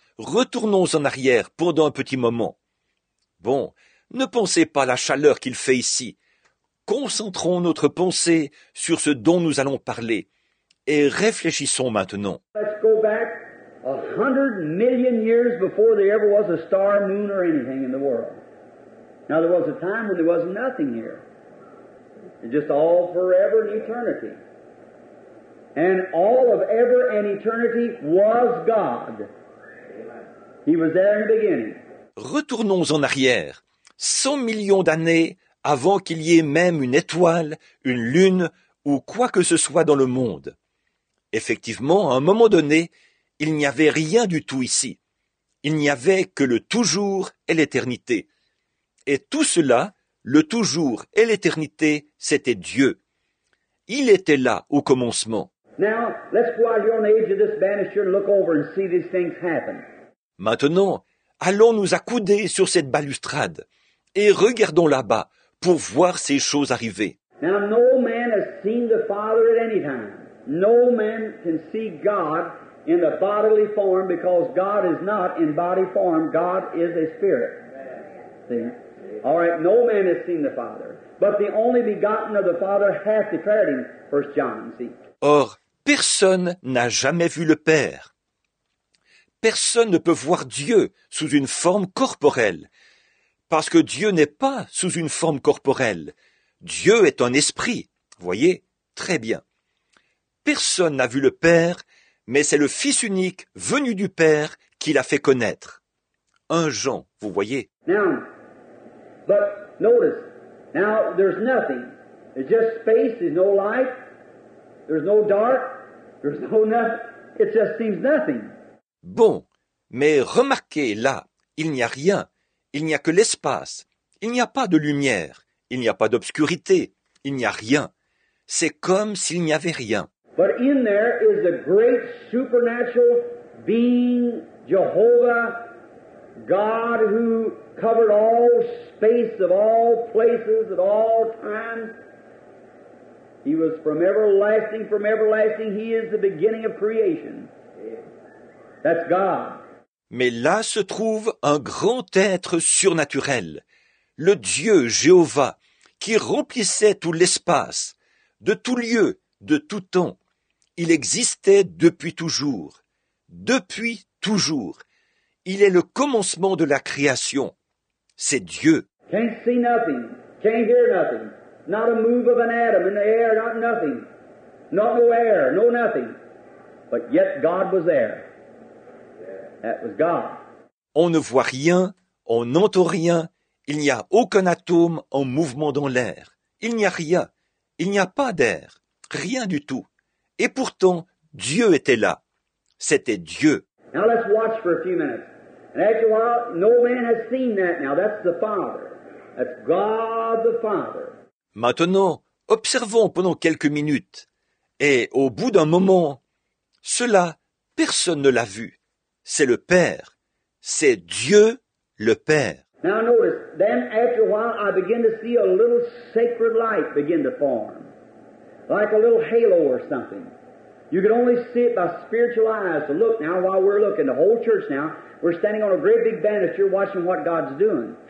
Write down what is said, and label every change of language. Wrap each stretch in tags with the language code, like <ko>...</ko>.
<fr>Retournons en arrière pendant un petit moment. Bon, ne pensez pas à la chaleur qu'il fait ici. Concentrons notre pensée sur ce dont nous allons parler et réfléchissons maintenant.</fr> <en>Let's go back 100 million years before there ever was a star, moon, or anything in the world. Now there was a time when there was nothing here. Just all forever and eternity. And all of ever and eternity was God. He was there in the beginning.</en> <fr>Retournons en arrière. 100 millions d'années avant qu'il y ait même une étoile, une lune ou quoi que ce soit dans le monde. Effectivement, à un moment donné, il n'y avait rien du tout ici. Il n'y avait que le toujours et l'éternité. Et tout cela, le toujours et l'éternité, c'était Dieu. Il était là au commencement.</fr> <en>Now, let's go out here on the edge of this banister and look over and see these things happen.</en> <fr>Maintenant, allons nous accouder sur cette balustrade et regardons là-bas pour voir ces choses arriver.</fr> <en>Now, no man has seen the Father at any time. No man can see God in a bodily form because God is not in body form. God is a spirit. See? All right, no man has seen the Father, but the only begotten of the Father hath declared him. 1 John, see?</en> <fr>Or, personne n'a jamais vu le Père. Personne ne peut voir Dieu sous une forme corporelle, parce que Dieu n'est pas sous une forme corporelle. Dieu est un esprit, voyez, très bien. Personne n'a vu le Père, mais c'est le Fils unique venu du Père qui l'a fait connaître. 1 Jean, vous voyez.</fr> <en>Now, but notice, now there's nothing. It's just space, there's no light, there's no dark, there's no nothing. It just seems nothing.</en> <fr>Bon, mais remarquez là, il n'y a rien, il n'y a que l'espace, il n'y a pas de lumière, il n'y a pas d'obscurité, il n'y a rien. C'est comme s'il n'y avait rien.</fr> <en>But in there is a great supernatural being, Jehovah, God who covered all space of all places at all times. He was from everlasting, he is the beginning of creation. That's God.</en> <fr>Mais là se trouve un grand être surnaturel, le Dieu Jéhovah, qui remplissait tout l'espace, de tout lieu, de tout temps. Il existait depuis toujours. Depuis toujours. Il est le commencement de la création. C'est Dieu.</fr> <en>Can't see nothing, can't hear nothing, not a move of an atom in the air, not nothing, not no air, no nothing. But yet God was there. That was God.</en> <fr>On ne voit rien, on n'entend rien, Il n'y a aucun atome en mouvement dans l'air. Il n'y a rien. Il n'y a pas d'air. Rien du tout. Et pourtant, Dieu était là. C'était Dieu.</fr> <en>Now let's watch for a few minutes. And after a while, no man has seen that. Now that's the Father. That's God the Father.</en> <fr>Maintenant, observons pendant quelques minutes. Et au bout d'un moment, cela, personne ne l'a vu. C'est le Père. C'est Dieu le Père.</fr> <en>Now notice, then after a while, I begin to see a little sacred light begin to form. Like a little halo or something. You can only see it by spiritual eyes. So look now, while we're looking, the whole church now, we're standing on a great big banister watching what God's doing.</en>